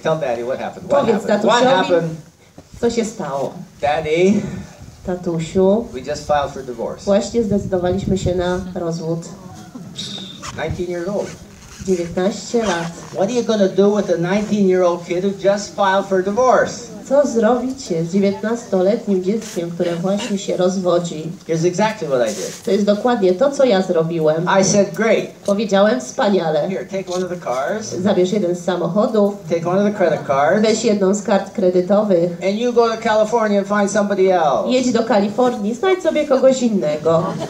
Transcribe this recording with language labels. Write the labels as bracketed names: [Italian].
[English] Tell daddy what happened. [Polish] Powiedz tatusiowi. [English] What happened? [Polish] Co się stało? [English] Daddy. [Polish] Tatusiu. [English] We just filed for divorce. [Polish] Właśnie zdecydowaliśmy się na rozwód. [English] 19 years old. [Polish] 19 lat. [English] What are you gonna do with a 19-year-old kid who just filed for divorce? [Polish] Co zrobicie z 19-letnim dzieckiem, które właśnie się rozwodzi? [English] Here's exactly what I did. [Polish] To jest dokładnie to, co ja zrobiłem. [English] I said great. [Polish] Powiedziałem wspaniale. [English] Here, take one of the cars. [Polish] Zabierz jeden z samochodów. [English] Take one of the credit cards. [Polish] Weź jedną z kart kredytowych. [English] And you go to California and find somebody else. [Polish] Jedź do Kalifornii, znajdź sobie kogoś innego.